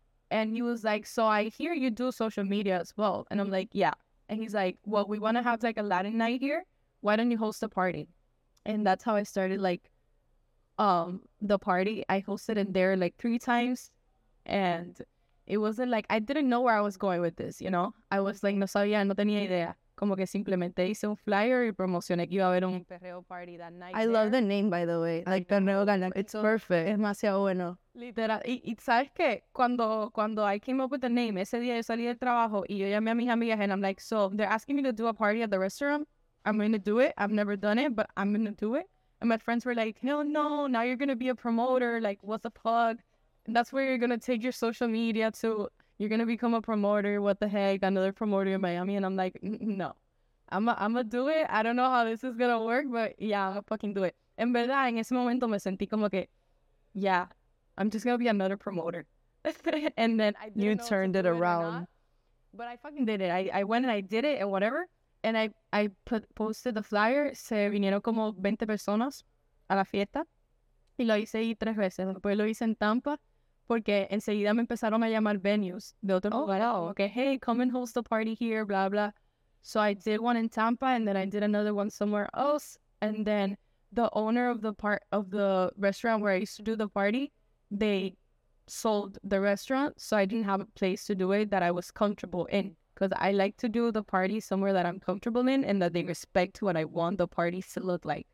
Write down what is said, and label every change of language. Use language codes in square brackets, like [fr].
[en] And he was like, so I hear you do social media as well. And I'm like, yeah. And he's like, well, we want to have like a Latin night here. Why don't you host a party? And that's how I started like the party. I hosted in there like 3 times. And it wasn't like, I didn't know where I was going with this, you know? I was like, [es] no sabía, no tenía idea. Como que simplemente hice un flyer y promocioné que iba a haber un [en] perreo party that night. I love the name, by the way. Like, Perreo Galáctico. It's perfect. [es] Es demasiado bueno. Literal. Y sabes que cuando [en] I came up with the name, [es] ese día yo salí del trabajo y yo llamé a mis amigas [en] and I'm like, so they're asking me to do a party at the restaurant. I'm going to do it. I've never done it, but I'm going to do it. And my friends were like, no, no, now you're going to be a promoter. Like, what the fuck? And that's where you're going to take your social media to. You're going to become a promoter. What the heck? Another promoter in Miami. And I'm like, no. I'm going to do it. I don't know how this is going to work, but yeah, I'll fucking do it. [es] En verdad, en ese momento me sentí como que, [en] yeah, I'm just going to be another promoter. And then I you turned it around. But I fucking did it. I went and I did it and whatever. And I posted the flyer. [es] Se vinieron como 20 personas a la fiesta. Y lo hice ahí 3 veces. Después lo hice en Tampa porque enseguida me empezaron a llamar venues de otro lugar. [en] Oh, wow. Okay, hey, come and host a party here, blah, blah. So I did one in Tampa and then I did another one somewhere else. And then the owner of the part of the restaurant where I used to do the party, they sold the restaurant. So I didn't have a place to do it that I was comfortable in. Because I like to do the party somewhere that I'm comfortable in and that they respect what I want the parties to look like.